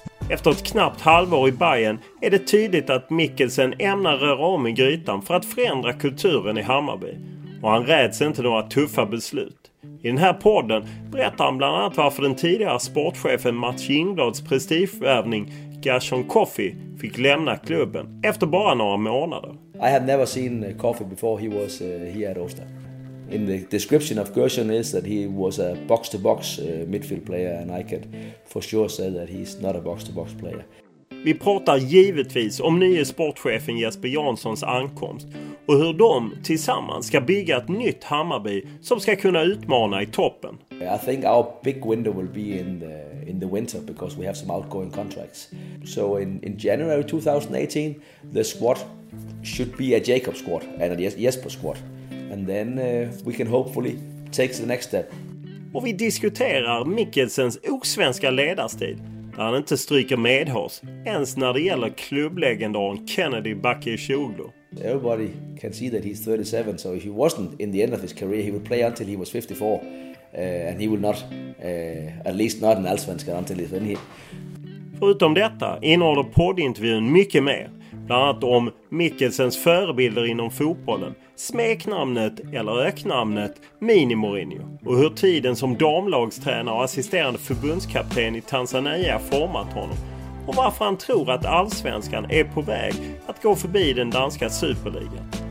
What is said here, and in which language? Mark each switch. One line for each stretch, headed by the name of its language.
Swedish: Efter ett knappt halvår i Bayern är det tydligt att Mikkelsen ämnar röra om i grytan för att förändra kulturen i Hammarby. Och han räds inte några tuffa beslut. I den här podden berättar han bland annat varför den tidigare sportchefen Mats Jingblads prestigevärvning Gershon Coffey fick lämna klubben efter bara några månader.
English: I had never seen Coffey before he was here at Åstad. In the description of Gershon is that he was a box-to-box midfield player, and I could for sure say that he's not a box-to-box player.
Swedish: Vi pratar givetvis om nye sportchefen Jesper Janssons ankomst och hur de tillsammans ska bygga ett nytt Hammarby som ska kunna utmana i toppen.
English: I think our big window will be in the winter because we have some outgoing contracts. So in January 2018 the squad should be a Jacob squad and a Jesper squad. And then we can hopefully take the next step.
Swedish: Och vi diskuterar Mikkelsens osvenska ledarstil. Han inte stryker med oss ens när det gäller klubblegendaren Kennedy Bakayoko.
English: Everybody can see that he's 37, so if he wasn't in the end of his career he would play until he was 54 and he will not at least not in Allsvenskan until he's 50.
Swedish: Förutom detta innehåller poddintervjun mycket mer, bland annat om Mikkelsens förebilder inom fotbollen, smeknamnet eller öknamnet Mini Mourinho och hur tiden som damlagstränare och assisterande förbundskapten i Tanzania format honom och varför han tror att allsvenskan är på väg att gå förbi den danska superligan.